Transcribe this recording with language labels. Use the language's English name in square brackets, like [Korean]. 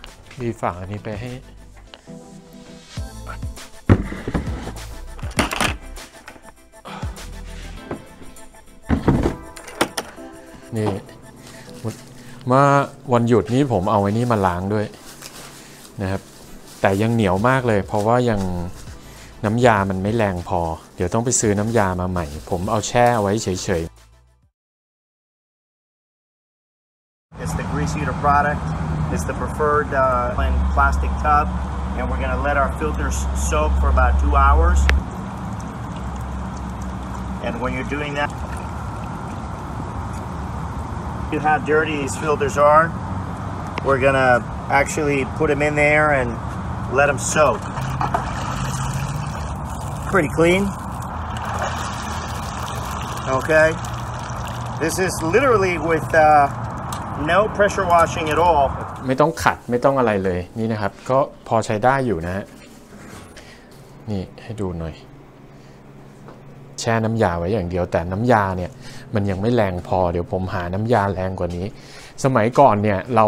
[Thai] พี่ฝากอันนี้ไปให้นี่มาวันหยุดนี้ผมเอาไว้นี่มาล้างด้วยนะครับแต่ยังเหนียวมากเลยเพราะว่ายังน้ำยามันไม่แรงพอเดี๋ยวต้องไปซื้อน้ำยามาใหม่ผมเอาแช่ไว้เฉยๆ [English] It's the grease heater product. It's the preferred plastic tub and we're going to let our filters soak for about 2 hours. And when you're doing that, you see how dirty these filters are? We're going to actually put them in there and let them soak. Pretty clean. Okay. This is literally with no pressure washing at all. [Thai] ไม่ต้องขัดไม่ต้องอะไรเลยนี่นะครับก็พอใช้ได้อยู่นะฮะนี่ให้ดูหน่อยแช่น้ำยาไว้อย่างเดียวแต่น้ำยาเนี่ยมันยังไม่แรงพอเดี๋ยวผมหาน้ำยาแรงกว่านี้สมัยก่อนเนี่ย